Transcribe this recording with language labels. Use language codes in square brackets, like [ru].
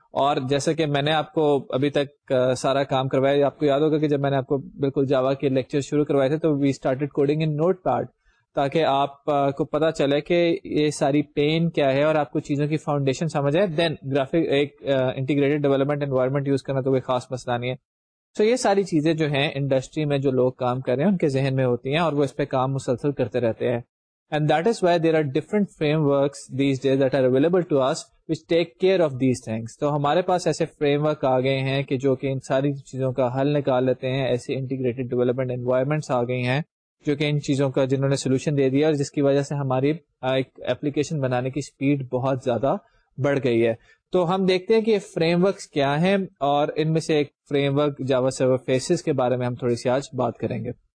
[ur] اور جیسا کہ میں نے آپ کو ابھی تک سارا کام کروایا, آپ کو یاد ہوگا کہ جب میں نے آپ کو بالکل جاوا کے لیکچر شروع کروائے تھے تو [en] we started coding in notepad, [ur] تاکہ آپ کو پتا چلے کہ یہ ساری پین کیا ہے اور آپ کو چیزوں کی فاؤنڈیشن سمجھ آئے, دین گرافک ایک انٹیگریٹڈ ڈیولپمنٹ انوائرمنٹ یوز کرنا تو کوئی خاص مسئلہ نہیں ہے. سو یہ ساری چیزیں جو ہیں انڈسٹری میں جو لوگ کام کر رہے ہیں ان کے ذہن میں ہوتی ہیں اور وہ اس پہ کام مسلسل کرتے رہتے ہیں. [en] And that is why there are different frameworks these days that are available to us which take care of these things. [ur] So ہمارے پاس ایسے فریم ورک آ گئے ہیں کہ جو کہ ان ساری چیزوں کا حل نکال لیتے ہیں, ایسے انٹیگریٹڈ ڈیولپمنٹ انوائرمنٹس آ گئی ہیں جو کہ ان چیزوں کا جنہوں نے سولوشن دے دیا, اور جس کی وجہ سے ہماری ایک اپلیکیشن بنانے کی اسپیڈ بہت زیادہ بڑھ گئی ہے. تو ہم دیکھتے ہیں کہ یہ فریم ورکس کیا ہیں, اور ان میں سے ایک فریم ورک جاوا سرور فیسز کے بارے میں ہم تھوڑی سی آج بات کریں گے.